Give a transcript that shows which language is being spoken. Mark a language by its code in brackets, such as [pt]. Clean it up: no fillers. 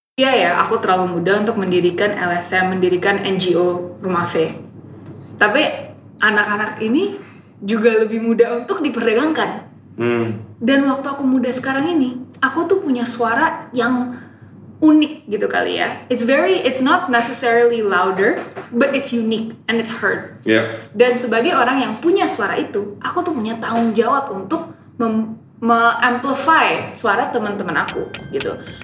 [id] Iya ya, aku terlalu muda untuk mendirikan LSM, mendirikan NGO Rumah V. Tapi anak-anak ini juga lebih muda untuk diperdagangkan. Dan waktu aku muda sekarang ini, aku tuh punya suara yang unik gitu kali ya. [en] It's not necessarily louder, but it's unique and it's heard. Yeah. [id] Dan sebagai orang yang punya suara itu, aku tuh punya tanggung jawab untuk amplify suara teman-teman aku gitu.